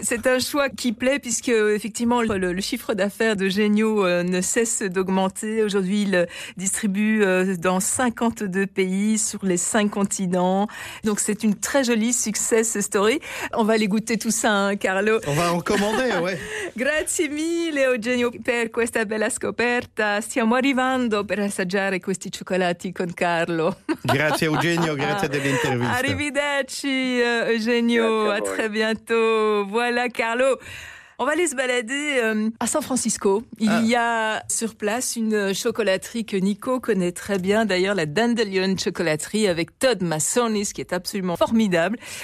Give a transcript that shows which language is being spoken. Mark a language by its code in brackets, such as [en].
[fr] C'est un choix qui plaît, puisque effectivement, le chiffre d'affaires de Genio ne cesse d'augmenter. Aujourd'hui, il distribue dans 52 pays sur les 5 continents. Donc, c'est une très jolie success story. On va aller goûter tout ça, hein, Carlo. On va en commander, ouais. [it] Grazie mille, Genio, per questa bella scoperta. Stiamo arrivando per assaggiare questi cioccolati con Carlo. Grazie Eugenio, grazie dell'intervista. Arrivederci [fr] Eugenio, à très bientôt. Voilà Carlo. On va aller se balader à San Francisco. Il y a sur place une chocolaterie que Nico connaît très bien, d'ailleurs la Dandelion Chocolaterie avec Todd Massonis, qui est absolument formidable.